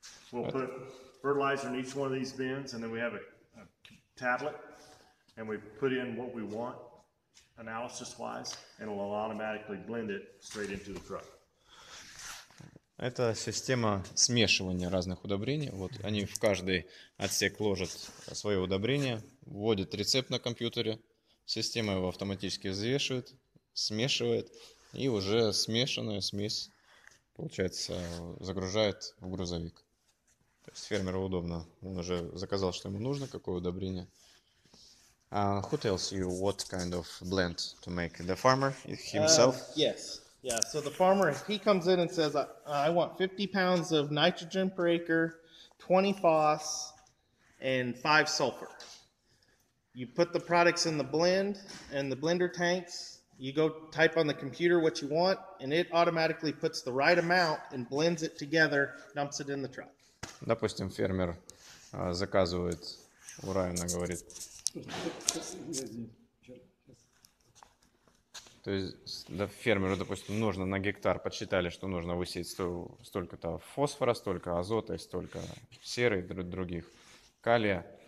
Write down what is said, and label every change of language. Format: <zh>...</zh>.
<en>We'll put fertilizer in each one of these bins and then we have a tablet and we put in what we want. Analysis-wise, and it'll automatically blend it straight into the truck.</en> <ru>Это система смешивания разных удобрений. Вот они в каждый отсек ложат свое удобрение, вводят рецепт на компьютере, система его автоматически взвешивает, смешивает, и уже смешанную смесь, получается, загружает в грузовик. То есть фермеру удобно. Он уже заказал, что ему нужно, какое удобрение.</ru> <en>Who tells you what kind of blend to make? The farmer himself? Yes. Yeah, so the farmer, he comes in and says, I want 50 pounds of nitrogen per acre, 20 phos, and 5 sulfur. You put the products in the blend and the blender tanks. You go type on the computer what you want, and it automatically puts the right amount and blends it together, dumps it in the truck.</en> <ru>Допустим, фермер заказывает у Райана, говорит. То есть да, фермеру, допустим, нужно на гектар, подсчитали, что нужно высеять столько-то фосфора, столько азота, столько серы и других, калия.</ru>